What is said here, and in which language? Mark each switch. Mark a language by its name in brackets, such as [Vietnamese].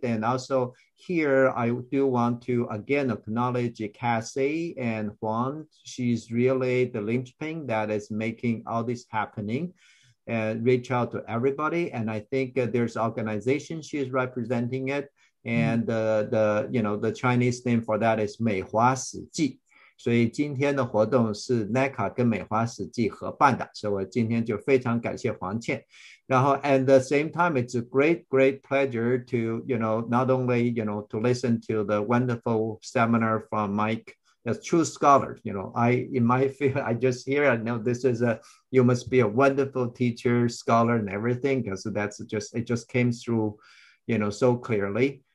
[English] And also here, I do want to again acknowledge Cassie and Juan. She's really the linchpin that is making all this happening. And reach out to everybody. And I think there's organization she's representing it. And the Chinese name for that is Mei Hua Si Ji. [Chinese] 所以今天的活动是 Necaa 跟美华史记合办的，所以我今天就非常感谢黄倩。然后 [English] at the same time, it's a great, great pleasure to, you know, not only, you know, to listen to the wonderful seminar from Mike, as true scholar, you know, you must be a wonderful teacher, scholar and everything, because it just came through, you know, so clearly.